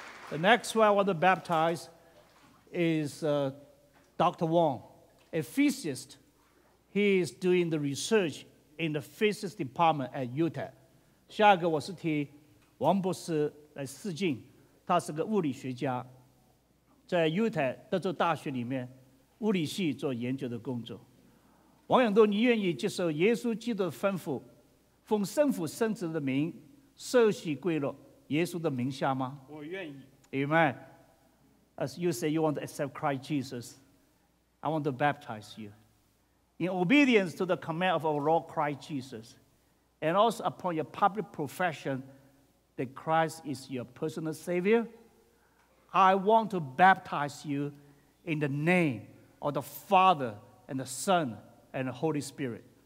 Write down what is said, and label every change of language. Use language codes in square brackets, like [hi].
[en] The next one I want to baptize is Dr. Wong, a physicist. He is doing the research in the physics department at UTEP. [zh] 下一个我是替王博士来示敬，他是个物理学家，在 UTEP 德州大学里面物理系做研究的工作。王永东，你愿意接受耶稣基督的吩咐，奉圣父圣子的名受洗归入耶稣的名下吗？我愿意。 [en] Amen. As you say, you want to accept Christ Jesus, I want to baptize you. In obedience to the command of our Lord Christ Jesus, and also upon your public profession that Christ is your personal Savior, I want to baptize you in the name of the Father and the Son and the Holy Spirit.